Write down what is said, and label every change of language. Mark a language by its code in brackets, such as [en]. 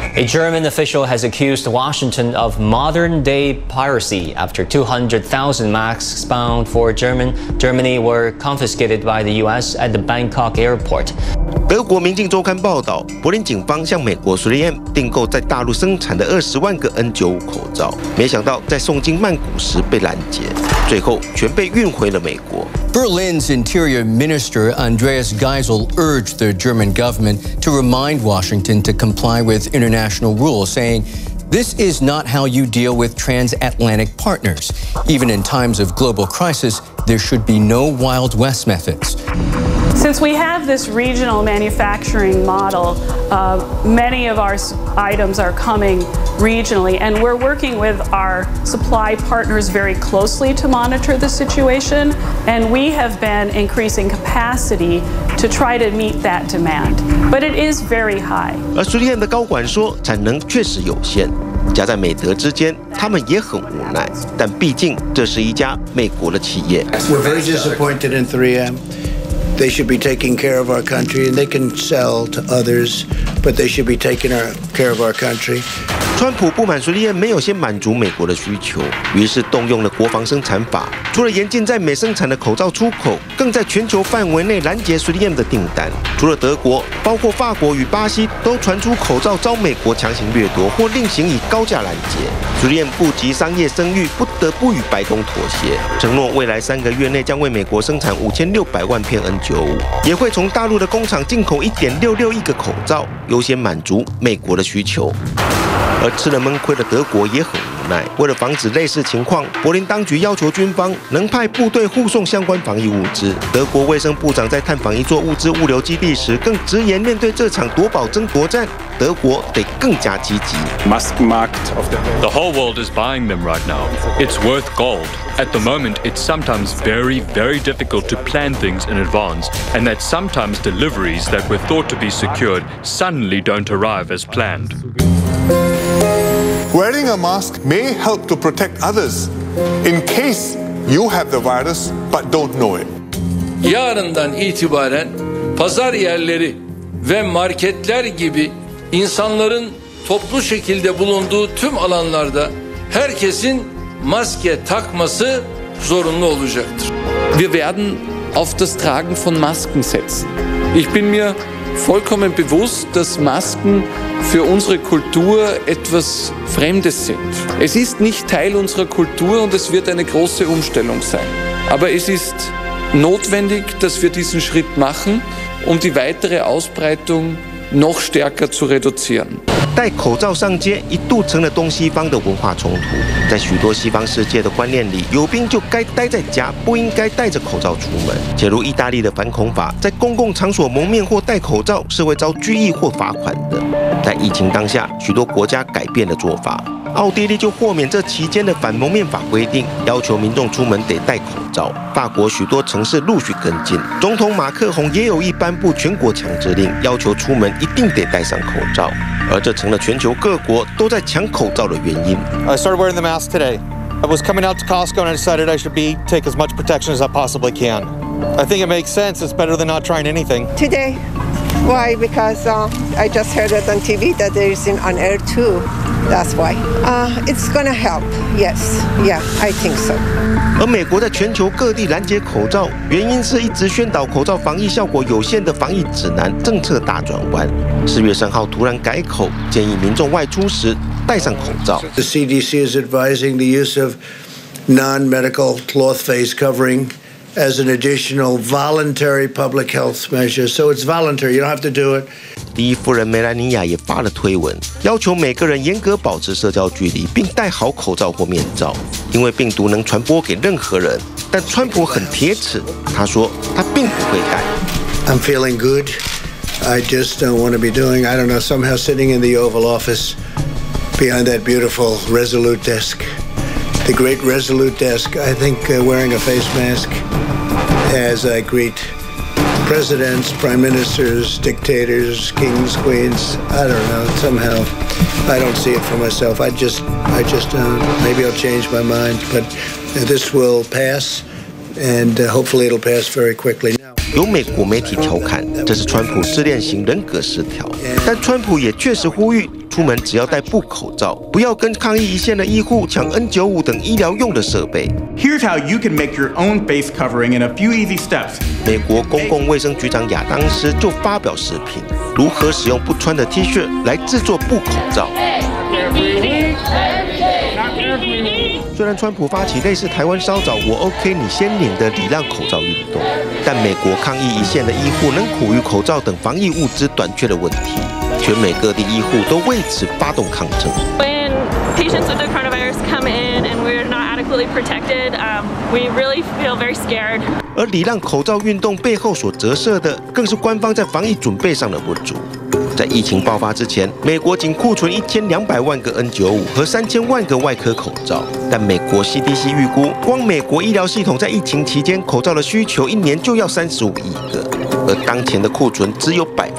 [en] A German official has accused Washington of modern-day piracy after 200,000 masks bound for Germany were confiscated by the U.S. at the Bangkok airport. [zh] 德国《明镜周刊》报道，柏林警方向美国 3M 订购在大陆生产的200,000个 N95 口罩，没想到在送经曼谷时被拦截，最后全被运回了美国。 [en] Berlin's Interior Minister Andreas Geisel urged the German government to remind Washington to comply with international rules, saying, "This is not how you deal with transatlantic partners. Even in times of global crisis, there should be no Wild West methods." Since we have this regional manufacturing model, many of our items are coming regionally, and we're working with our supply partners very closely to monitor the situation, and we have been increasing capacity to try to meet that demand. But it is very high. [zh] 而苏联的高管说，产能确实有限，夹在美德之间，他们也很无奈。但毕竟这是一家美国的企业。 [en] We're very disappointed in 3M. They should be taking care of our country, and they can sell to others, but they should be taking care of our country. [zh] 川普不满 3M 没有先满足美国的需求，于是动用了国防生产法，除了严禁在美生产的口罩出口，更在全球范围内拦截 3M 的订单。除了德国，包括法国与巴西都传出口罩遭美国强行掠夺或另行以高价拦截。 3M 顾及商业声誉，不得不与白宫妥协，承诺未来3个月内将为美国生产5600万片N95，也会从大陆的工厂进口1.66亿个口罩，优先满足美国的需求。而吃了闷亏的德国也很无奈，为了防止类似情况，柏林当局要求军方能派部队护送相关防疫物资。德国卫生部长在探访一座物资物流基地时，更直言面对这场夺宝争夺战，德国得更加积极。 [en] Mask marked of the whole world is buying them right now. It's worth gold. At the moment, it's sometimes very, very difficult to plan things in advance, and that sometimes deliveries that were thought to be secured suddenly don't arrive as planned. Wearing a mask may help to protect others in case you have the virus but don't know it. [tr] Yarından itibaren pazar yerleri ve marketler gibi insanların toplu şekilde bulunduğu tüm alanlarda herkesin maske takması zorunlu olacaktır. [de] Wir werden auf das Tragen von Masken setzen. Ich bin mir vollkommen bewusst, dass Masken für unsere Kultur etwas Fremdes sind. Es ist nicht Teil unserer Kultur und es wird eine große Umstellung sein. Aber es ist notwendig, dass wir diesen Schritt machen, um die weitere Ausbreitung noch stärker zu reduzieren. [zh] 戴口罩上街一度成了东西方的文化冲突，在许多西方世界的观念里，有病就该待在家，不应该戴着口罩出门。且如意大利的反恐法，在公共场所蒙面或戴口罩是会遭拘役或罚款的。在疫情当下，许多国家改变了做法，奥地利就豁免这期间的反蒙面法规定，要求民众出门得戴口罩。法国许多城市陆续跟进，总统马克宏也有意颁布全国强制令，要求出门一定得戴上口罩。而这成了全球各国都在抢口罩的原因。 [en] I started wearing the mask today. I was coming out to Costco and I decided I should be take as much protection as I possibly can. I think it makes sense. It's better than not trying anything. Today, Why? Because I just heard it on TV that there is an on air too. That's why. It's going to help. Yes. Yeah, I think so. [zh] 而美国在全球各地拦截口罩，原因是一直宣导口罩防疫效果有限的防疫指南政策大转弯。 4月3号突然改口，建议民众外出时戴上口罩。 [en] The CDC is advising the use of non-medical cloth face covering. As an additional voluntary public health measure, so it's voluntary. You don't have to do it. [zh] 第一夫人梅兰妮亚也发了推文，要求每个人严格保持社交距离，并戴好口罩或面罩，因为病毒能传播给任何人。但川普很铁齿，他说他并不会改。 [en] I'm feeling good. I just don't want to be doing. I don't know. Somehow sitting in the Oval Office, behind that beautiful, resolute desk. The great resolute desk. I think wearing a face mask as I greet presidents, prime ministers, dictators, kings, queens. I don't know. Somehow, I don't see it for myself. Maybe I'll change my mind. But this will pass, and hopefully it'll pass very quickly. [zh] 有美国媒体调侃，这是川普失恋型人格失调。但川普也确实呼吁。出门只要戴布口罩，不要跟抗疫一线的医护抢 N95 等医疗用的设备。 [en] Here's how you can make your own face covering in a few easy steps. [zh] 美国公共卫生局长亚当斯就发表视频，如何使用不穿的 T 恤来制作布口罩。虽然川普发起类似台湾稍早我 OK 你先领的礼让口罩运动，但美国抗疫一线的医护仍苦于口罩等防疫物资短缺的问题。全美各地医护都为此发动抗争。 [en] When patients with the coronavirus come in and we're not adequately protected, we really feel very scared. [zh] 而礼让口罩运动背后所折射的，更是官方在防疫准备上的不足。在疫情爆发之前，美国仅库存1200万个 N95 和3000万个外科口罩。但美国 CDC 预估，光美国医疗系统在疫情期间口罩的需求，一年就要35亿个，而当前的库存只有1%。